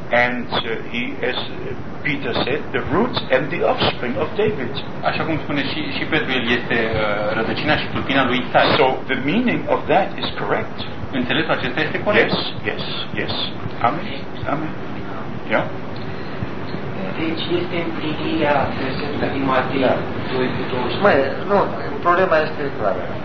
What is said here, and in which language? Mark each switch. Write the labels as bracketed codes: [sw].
[en] And he, as Peter said, the root and the offspring of David. [ro] Așa cum spune și Petru, el este rădăcina și tulpina lui Isai. [en] So the meaning of that is correct. [ro] Înțelesul acesta este corect. [en] Yes, yes, yes. Amen. Yeah. [ro] Deci este împlinirea prezentă din Matei 2:20. Mai, problema este clară.